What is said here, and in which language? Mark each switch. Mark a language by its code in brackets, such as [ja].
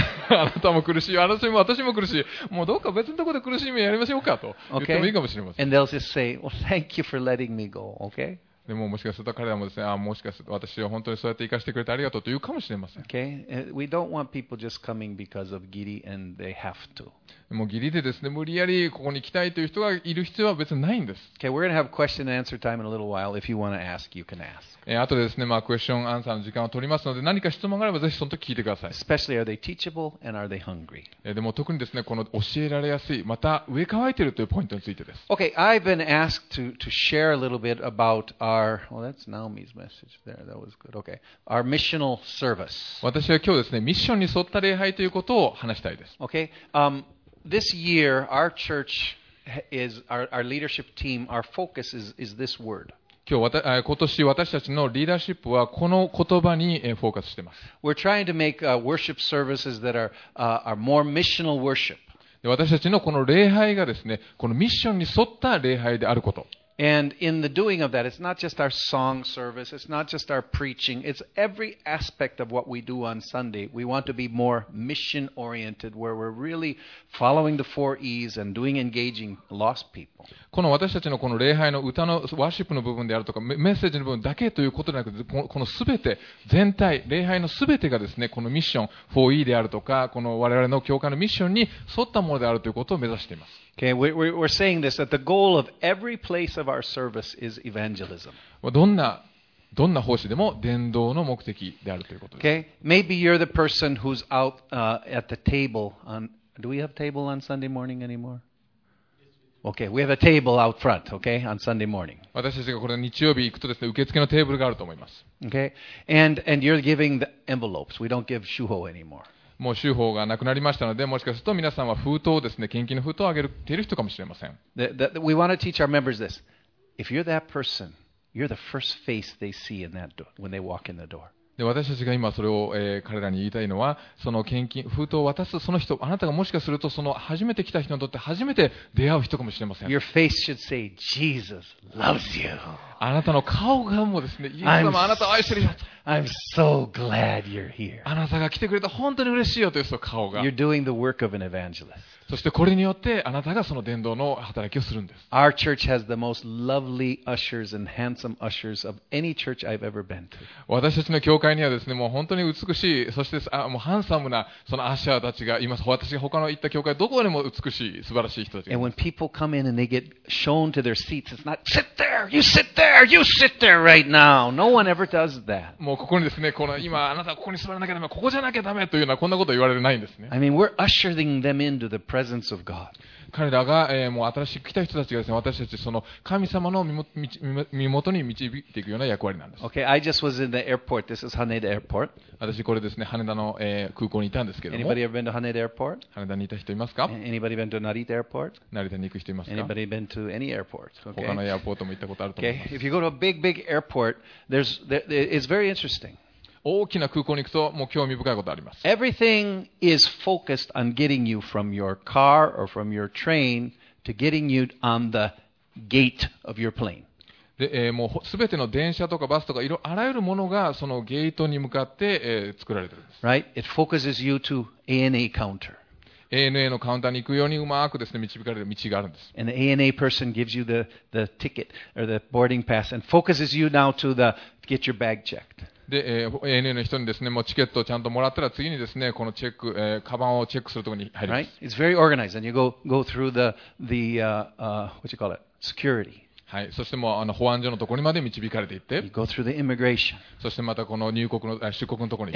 [ja] あなたも苦しい、私も苦しい、もうどっか別のところで苦しみやりましょうかと言ってもいいかもしれません。 [en] Okay. And they'll just say, well, thank you for letting me go, okay? [ja] でももしかすると彼らもですね、あ、もしかすると私は本当にそうやって生かしてくれてありがとうと言うかもしれません。 [en] Okay. We don't want people just coming because of greed and they have to. [ja] もう義理でですね、無理やりここに来たいという人がいる必要は別にないんです。 [en] Okay. We're gonna have question and answer time in a little while. If you want to ask, you can ask. [ja] あとでですね、まあクエスチョンアンサーの時間を取りますので、何か質問があればぜひその時聞いてください。 [en] Especially are they teachable and are they hungry? [ja] でも特にですね、この教えられやすい、また飢え渇いているというポイントについてです。 [en] Okay. I've been asked to share a little bit about Well, that's Naomi's message there. That was good. Okay. Our missional service. [ja] 私は今日ですね、ミッションに沿った礼拝ということを話したいです。 [en] Okay. This year, our church is our leadership team. Our focus is this word. [ja] 今年私たちのリーダーシップはこの言葉にフォーカスしています。 [en] We're trying to make worship services that are more missional worship. [ja] 私たちのこの礼拝がですね、このミッションに沿った礼拝であること。 [en] And in the doing of that, it's not just our song service, it's not just our preaching, it's every aspect of what we do on Sunday. We want to be more mission oriented, where we're really following the four E's and doing engaging lost people. [ja] この私たちのこの礼拝の歌のワーシップの部分であるとか、メッセージの部分だけということでなく、このすべて、全体、礼拝のすべてがですね、このミッション、4E であるとか、この我々の教会のミッションに沿ったものであるということを目指しています。 [en] Okay, we're saying this, that the goal of every place of our service is evangelism. [ja] どんな奉仕でも伝道の目的であるということです。 [en] Okay, maybe you're the person who's out, at the table on, do we have table on Sunday morning anymore? Okay, we have a table out front, okay, on Sunday morning. [ja] 私たちがこれ日曜日行くとですね、受付のテーブルがあると思います。 [en] Okay, and you're giving the envelopes. We don't give 手法 anymore. [ja] もう手法がなくなりましたので、もしかすると皆さんは封筒ですね、献金の封筒をあげている人かもしれません。 [en] We want to teach our members this. If you're that person, you're the first face they see in that door, when they walk in the door. [ja] で私たちが今それを、彼らに言いたいのは、その献金封筒を渡すその人、あなたがもしかするとその初めて来た人にとって初めて出会う人かもしれません。 [en] Your face should say, Jesus loves you. [ja] あなたの顔がもうですね、イエス様、あなたを愛してるよと。 [en] I'm so glad you're here. [ja] あなたが来てくれた本当に嬉しいよというその顔が。 [en] You're doing the work of an evangelist. [ja] そしてこれによってあなたがその伝道の働きをするんです。 [en] Our church has the most lovely ushers and handsome ushers of any church I've ever been to. [ja] 私たちの教会にはですね、もう本当に美しい、そしてもうハンサムなそのアシャーたちがいます。私が他の行った教会どこでも美しい素晴らしい人たちがいます。 [en] And when people come in and they get shown to their seats, it's not sit there, you sit there, you sit there right now. No one ever does that. [ja] もうここにですね、この今あなたはここに座らなきゃダメ、ここじゃなきゃダメというようなこんなことは言われないんですね。 [en] I mean, we're ushering them into the presence of God. [ja] 彼らが、もう新しく来た人たちがですね、私たちその神様の身元に導いていくような役割なんです。 [en] Okay, I just was in the airport. This is Haneda Airport. [ja] 私これですね、羽田の、空港にいたんですけども。 [en] Anybody ever been to Haneda Airport? [ja] 羽田にいた人いますか [en] ？Anybody been to Narita Airport? [ja] 成田に行く人いますか [en] ？Anybody been to any airport? Okay. [ja] 他のエアポートも行ったことあると思います。 [en] Okay, if you go to a big airport, it's very interesting. [ja] 大きな空港に行くともう興味深いことあります。 [en] Everything is focused on getting you from your car or from your train to getting you on the gate of your plane. [ja] で、もうすべての電車とかバスとかあらゆるものがそのゲートに向かって、作られてるんです。 [en] Right? It focuses you to ANA counter. [ja] ANA のカウンターに行くようにうまくですね、導かれる道があるんです。 [en] And the ANA person gives you the ticket or the boarding pass and focuses you now to the get your bag checked. [ja] で、ANA の人にですね、もうチケットをちゃんともらったら次にですね、このチェック、カバンをチェックするところに入ります。 [en] Right? It's very organized and you go through what you call it? Security. [ja] はい。そしてもうあの保安所のところにまで導かれていって。 [en] You go through the immigration. [ja] そしてまたこの入国の、出国のところに。